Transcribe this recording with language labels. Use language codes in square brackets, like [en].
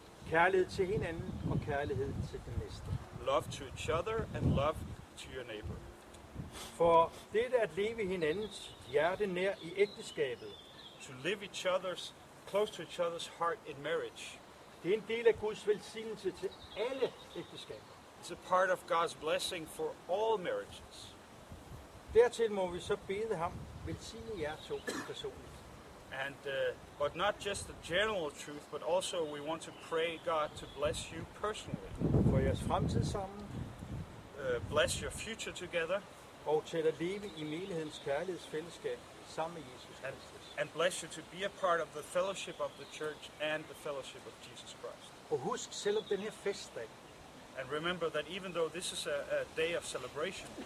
[da] Kærlighed til hinanden og kærlighed til den næste. [en] Love to each other and love to your neighbor. [da] For det at leve hinandens hjerte nær i ægteskabet, [en] to live each other's close to each other's heart in marriage, [da] det er en del af Guds velsignelse til alle ægteskaber. [en] It's a part of God's blessing for all marriages. [da] Dertil må vi så bede ham velsigne jer to personligt. [en] And but not just the general truth, but also we want to pray God to bless you personally. [da] For jeres fremtid sammen. [en] Bless your future together. [da] Og til at leve i menighedens kærlighedsfællesskab sammen med Jesus Kristus. [en] And bless you to be a part of the fellowship of the church and the fellowship of Jesus Christ. [da] Og husk selv den her festdag. [en] And remember that even though this is a day of celebration,